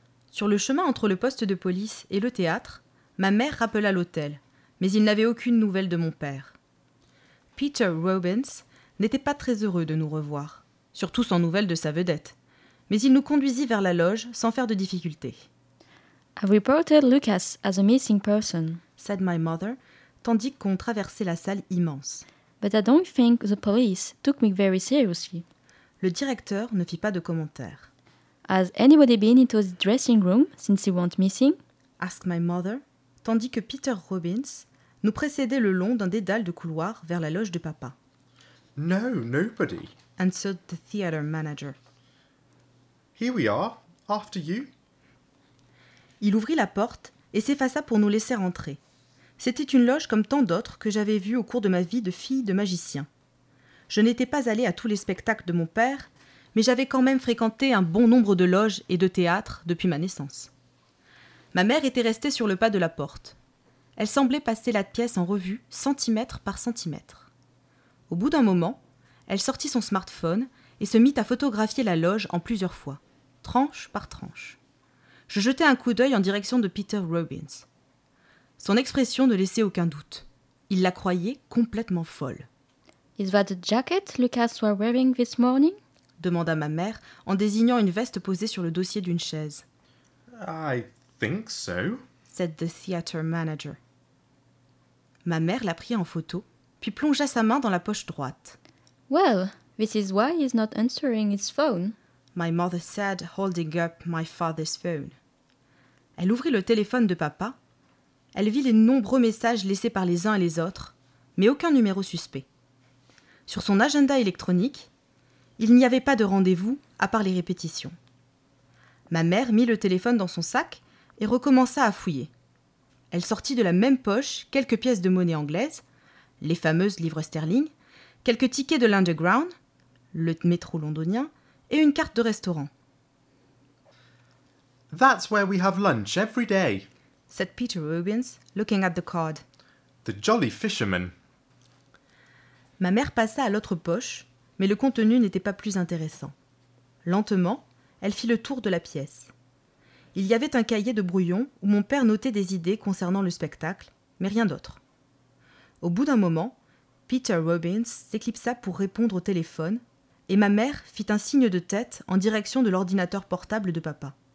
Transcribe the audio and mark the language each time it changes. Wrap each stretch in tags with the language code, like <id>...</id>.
<fr>Sur le chemin entre le poste de police et le théâtre, ma mère rappela l'hôtel, mais il n'avait aucune nouvelle de mon père. Peter Robbins n'était pas très heureux de nous revoir, surtout sans nouvelles de sa vedette. Mais il nous conduisit vers la loge sans faire de difficultés.</fr> <en>« I've reported Lucas as a missing person », said my mother,</en> <fr>tandis qu'on traversait la salle immense.</fr> <en>« But I don't think the police took me very seriously ».</en> <fr>Le directeur ne fit pas de commentaire.</fr> <en>« Has anybody been into the dressing room since he went missing ?» asked my mother,</en> <fr>tandis que Peter Robbins nous précédait le long d'un dédale de couloir vers la loge de papa.</fr> <en>« No, nobody », answered the theater manager. « Here we are, after you. »</en> <fr>Il ouvrit la porte et s'effaça pour nous laisser entrer. C'était une loge comme tant d'autres que j'avais vues au cours de ma vie de fille de magicien. Je n'étais pas allée à tous les spectacles de mon père, mais j'avais quand même fréquenté un bon nombre de loges et de théâtres depuis ma naissance. Ma mère était restée sur le pas de la porte. Elle semblait passer la pièce en revue, centimètre par centimètre. Au bout d'un moment, elle sortit son smartphone et se mit à photographier la loge en plusieurs fois, tranche par tranche. Je jetai un coup d'œil en direction de Peter Robbins. Son expression ne laissait aucun doute. Il la croyait complètement folle.</fr> <en>« Is that the jacket Lucas was wearing this morning ?»</en> <fr>demanda ma mère en désignant une veste posée sur le dossier d'une chaise.</fr> <en>« I think so », said the theater manager.</en> <fr>Ma mère la prit en photo, puis plongea sa main dans la poche droite.</fr> <en>« Well, this is why he's not answering his phone », my mother said, holding up my father's phone.</en> <fr>Elle ouvrit le téléphone de papa. Elle vit les nombreux messages laissés par les uns et les autres, mais aucun numéro suspect. Sur son agenda électronique, il n'y avait pas de rendez-vous à part les répétitions. Ma mère mit le téléphone dans son sac et recommença à fouiller. Elle sortit de la même poche quelques pièces de monnaie anglaise, les fameuses livres sterling, quelques tickets de l'Underground, le métro londonien, et une carte de restaurant.</fr> <en>That's where we have lunch every day, said Peter Robbins, looking at the card. The Jolly Fisherman.</en> <fr>Ma mère passa à l'autre poche, mais le contenu n'était pas plus intéressant. Lentement, elle fit le tour de la pièce. Il y avait un cahier de brouillon où mon père notait des idées concernant le spectacle, mais rien d'autre. Au bout d'un moment, Peter Robbins s'éclipsa pour répondre au téléphone et ma mère fit un signe de tête en direction de l'ordinateur portable de papa.</fr>